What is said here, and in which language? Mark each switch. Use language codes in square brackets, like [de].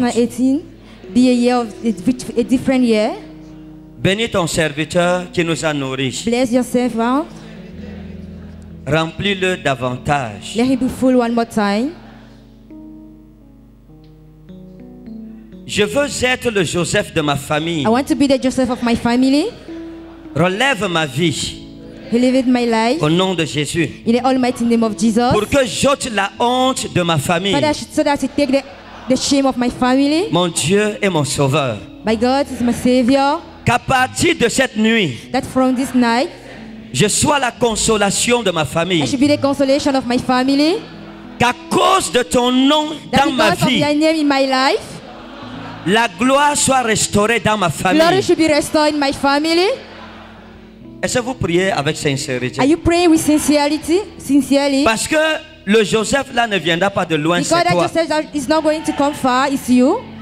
[en] 2018 be a year of a different year. [fr] Bénis ton serviteur qui nous a nourris. [en] Bless your servant. [fr] Remplis-le davantage. [en] Let him be full one more time. [fr] Je veux être le Joseph de ma famille. [en] I want to be the Joseph of my family. [fr] Relève ma vie. [en] He lived my life. [fr] Au nom de Jésus. [en] In the almighty name of Jesus. [fr] Pour que j'ôte la honte de ma famille. [en] Father, so that I take the shame of my family. [fr] Mon Dieu est mon sauveur. [en] My God is my savior. [fr] Qu'à partir de cette nuit. [en] That from this night. [fr] Je sois la consolation de ma famille. [en] I should be the consolation of my family. [fr] Qu'à cause de ton nom [en] that [fr] dans ma vie. [en] Of your name in my life. [fr] La gloire soit restaurée dans ma famille. [en] Glory should be restored in my family. [fr] Est-ce que vous priez avec sincérité? [en] Are you praying with sincerity? Sincerely? [fr] Parce que le Joseph là ne viendra pas de loin, [en] because [fr] c'est toi. [en] Because that Joseph is not going to come far, it's you.